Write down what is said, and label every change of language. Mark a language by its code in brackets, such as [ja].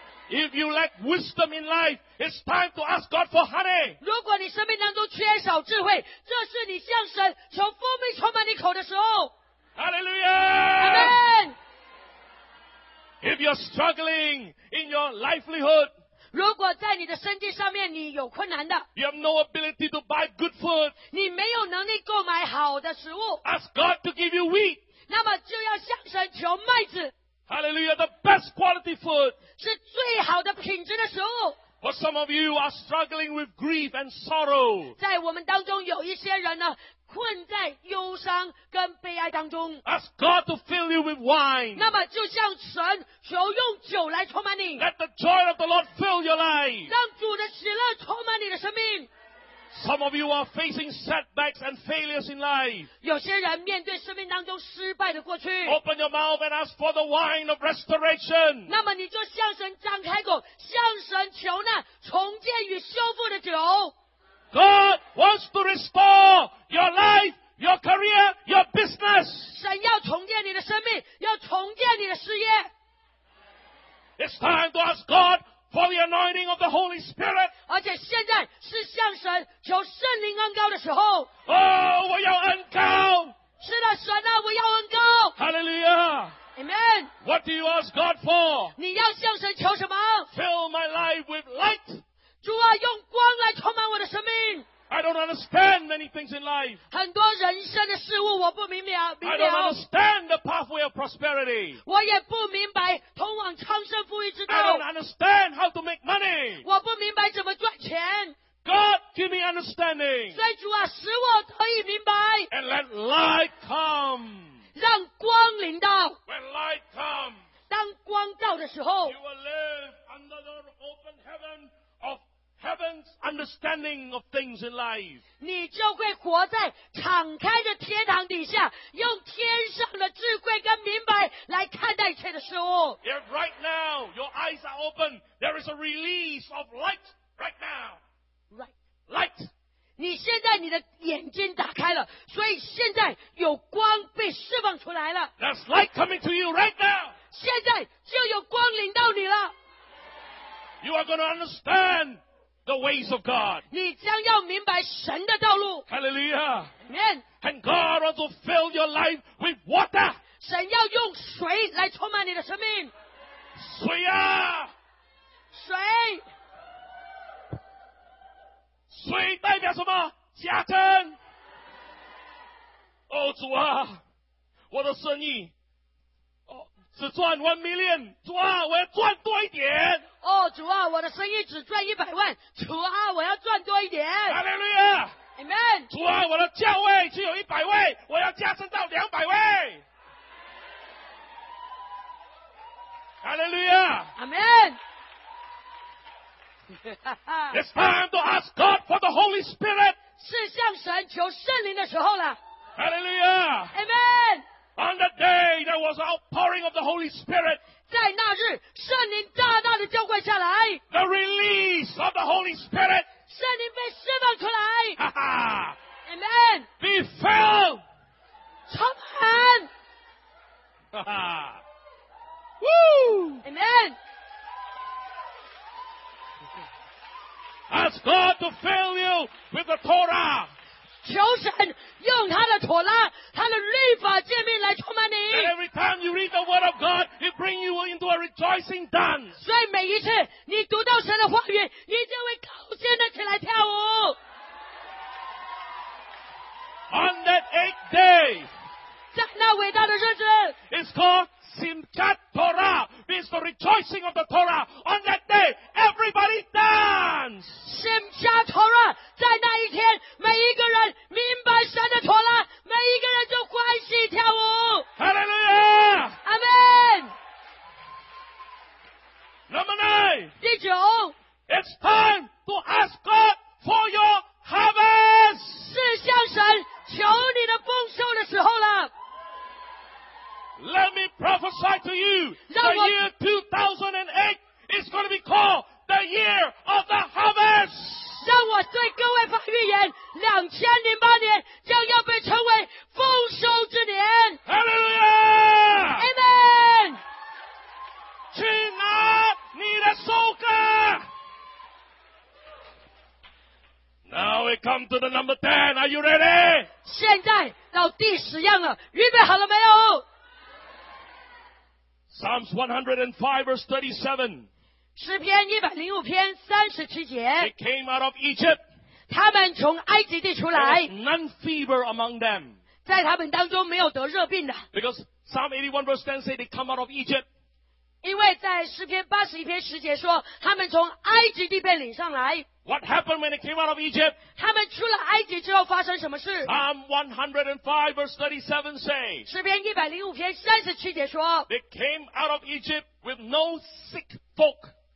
[en] if you lack wisdom in life, it's time to ask God for honey. [zh] 如果你生命当中缺少智慧, 这是你向神求蜂蜜充满你口的时候。 [en] Hallelujah! Amen! If you're struggling in your livelihood, [zh] 如果在你的生计上面你有困难的, [en] you have no ability to buy good food, [zh] 你没有能力购买好的食物, [en] ask God to give you wheat, [zh] 那么就要向神求麦子, [en] hallelujah, the best quality food, [zh] 是最好的品质的食物. [en] For some of you are struggling with grief and sorrow, [zh] 在我们当中有一些人呢, 困在忧伤跟悲哀当中, [en] ask God to fill you with wine. [zh] 那么就向神求用酒来充满你。 [en] Let the joy of the Lord fill your life. [zh] 让主的喜乐充满你的生命。 [en] Some of you are facing setbacks and failures in life. [zh] 有些人面对生命当中失败的过去, [en] open your mouth and ask for the wine of restoration. [zh] 那么你就向神张开口, 向神求那重建与修复的酒。 [en] God wants to restore your life, your career, your business. [zh] 神要重建你的生命, 要重建你的事业。 [en] It's time to ask God for the anointing of the Holy Spirit. [zh] 而且现在是向神求圣灵恩膏的时候。 Oh, 我要恩膏。是的,神啊, 我要恩膏。 [en] Hallelujah. Amen. What do you ask God for? [zh] 你要向神求什么? [en] Fill my life with light. [zh] 主啊,用光来充满我的生命。 [en] I don't understand many things in life. [zh] 很多人生的事物我不明白。 [en] I don't understand the pathway of prosperity. [zh] 我也不明白通往昌盛富裕之道。 [en] I don't understand how to make money. [zh] 我不明白怎么赚钱。 [en] God, give me understanding. [zh] 所以主啊，使我可以明白。 [en] And let light come. [zh] 让光临到。 [en] When light come. [zh] 当光照的时候。 [en] You will live under the open heaven of heaven's understanding of things in life. [zh] 你就会活在敞开的天堂底下，用天上的智慧跟明白来看待一切的事物。 [en] If right now your eyes are open, there is a release of light right now. Light. [zh] 你现在你的眼睛打开了，所以现在有光被释放出来了。 [en] There's light coming to you right now. [zh] 现在就有光临到你了。 [en] You are going to understand the ways of God. [zh] 你将要明白神的道路。 [en] Hallelujah. Amen. And God wants to fill your life with water. [zh] 神要用水来充满你的生命。水啊！水。水代表什么？加增。哦，主啊，我的生意，哦，只赚1 million。主啊，我要赚多一点。哦，主啊，我的生意只赚100万。主啊，我要赚多一点。哈利路亚。 [en] Amen。 [zh] 主啊，我的教会只有100位，我要加增到200位。哈利路亚。 [en] Amen。 It's time to ask God for the Holy Spirit. [zh] 是向神求圣灵的时候了。 [en] Hallelujah. Amen. On the day there was outpouring of the Holy Spirit. [zh] 在那日，圣灵大大的浇灌下来。 [en] The release of the Holy Spirit. [zh] 圣灵被释放出来。哈哈。 [en] Amen. Be filled. [zh] 充满。哈哈。Woo. [en] Amen. Ask God to fill you with the Torah. [zh] 求神用他的妥拉，他的律法诫命来充满你。 [en] And every time you read the word of God, it brings you into a rejoicing dance. [zh] 所以每一次你读到神的话语，你就会高兴的起来跳舞。 [en] On that 8th day, [zh] 在那伟大的日子 [en] ，It's called Simchat Torah. It's the rejoicing of the Torah. On that day, everybody dance. [zh] Simchat Torah 在那一天，每一个人明白神的妥拉，每一个人就欢喜跳舞。 [en] Hallelujah. Amen. Number 9. [zh] 第九。 [en] It's time to ask God for your harvest. [zh] 是向神求你的丰收的时候了。 [en] Let me prophesy to you. The year 2008 is going to be called. The year of the harvest. [zh] 让我对各位发预言，2008年将要被称为丰收之年。 [en] Hallelujah. Amen. [zh] 去拿你的收割。 [en] Now we come to the number 10. Are you ready? [zh] 现在到第十样了，预备好了没有？ [en] Psalms 105 verse 37. [zh] 诗篇105篇37节 [en] They came out of Egypt. [zh] 他们从埃及地出来 [en] There was none fever among them. [zh] 在他们当中没有得热病的 [en] Because Psalm 81 verse 10 say they come out of Egypt. [zh] 因为在诗篇81篇10节说他们从埃及地被领上来 [en] What happened when they came out of Egypt? [zh] 他们出了埃及之后发生什么事 [en] Psalm 105 verse 37 say [zh] 诗篇105篇37节说 [en] They came out of Egypt with no sick folk.